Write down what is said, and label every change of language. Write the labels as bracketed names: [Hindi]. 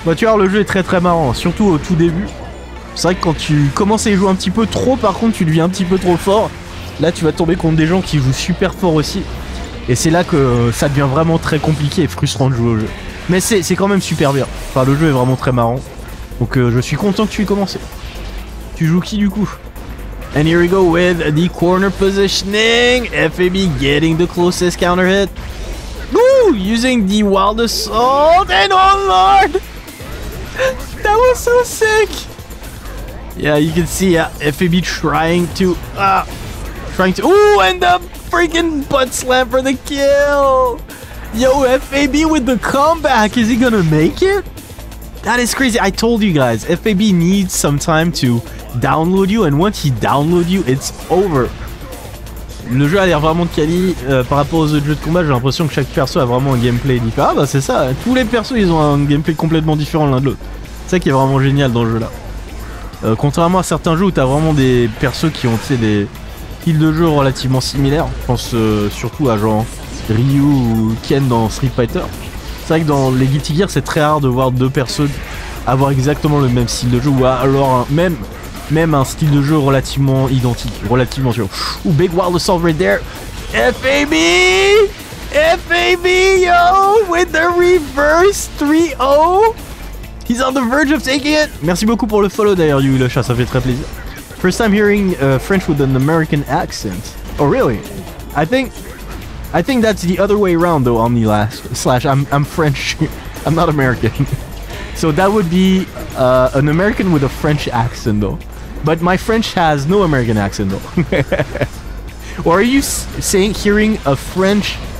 [French] Bah, tu vois, le jeu est très, très marrant. Surtout au tout début. C'est vrai que quand tu commences à y jouer un petit peu trop, par contre, tu deviens un petit peu trop fort. Là, tu vas tomber contre des gens qui jouent super fort aussi. Et c'est là que ça devient vraiment très compliqué et frustrant de jouer au jeu. Mais c'est quand même super bien. Enfin, le jeu est vraiment très marrant. Donc je suis content que tu aies commencé. Tu joues qui du coup? [English] And here we go with the corner positioning. FAB getting the closest counter hit. Woo! Using the wild assault. And oh lord! That was so sick! Yeah, you can see FAB trying to... Ooh, and the freaking butt slam for the kill! Yo, FAB with the comeback! Is he gonna make it? That is crazy. I told you guys, FAB needs some time to download you, and once he downloads you, it's over. [French] Le jeu a l'air vraiment de quali. Par rapport aux autres jeux de combat, j'ai l'impression que chaque perso a vraiment un gameplay différent. Ah bah c'est ça, tous les persos ils ont un gameplay complètement différent l'un de l'autre. C'est ça qui est vraiment génial dans le jeu là. Contrairement à certains jeux où t'as vraiment des persos qui ont, tu sais, des... style de jeu relativement similaire, je pense surtout à genre Ryu ou Ken dans Street Fighter. C'est vrai que dans les Guilty Gear, c'est très rare de voir deux persos avoir exactement le même style de jeu, ou alors même un style de jeu relativement identique, relativement sûr. [English] Ouh, big wild assault right there. FAB! FAB, yo! With the reverse 3-0! He's on the verge of taking it! [French] Merci beaucoup pour le follow d'ailleurs, Yu Le Chat, ça fait très plaisir. [English] First time hearing French with an American accent. Oh really? I think that's the other way around though, on the last slash. I'm French. I'm not American. So that would be an American with a French accent though. But my French has no American accent though. Or are you saying hearing a French?